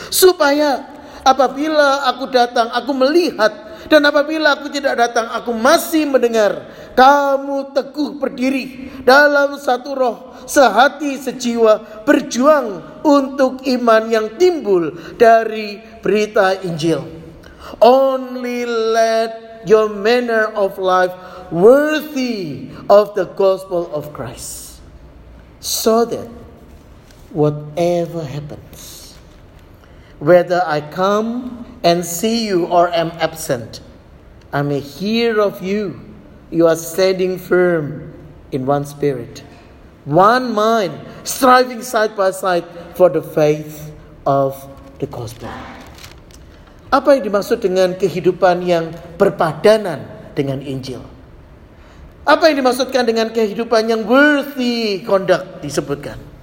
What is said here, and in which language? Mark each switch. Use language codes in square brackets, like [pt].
[id] Supaya apabila aku datang, aku melihat. Dan apabila aku tidak datang, aku masih mendengar. Kamu teguh berdiri dalam satu roh, sehati, sejiwa, berjuang untuk iman yang timbul dari berita Injil. [en] Only let your manner of life worthy of the gospel of Christ, so that whatever happens, whether I come and see you or am absent, I may hear of you. You are standing firm in one spirit, one mind, striving side by side for the faith of the gospel. [id] Apa yang dimaksud dengan kehidupan yang berpadanan dengan Injil? Apa yang dimaksudkan dengan kehidupan yang [en] worthy conduct [id] disebutkan?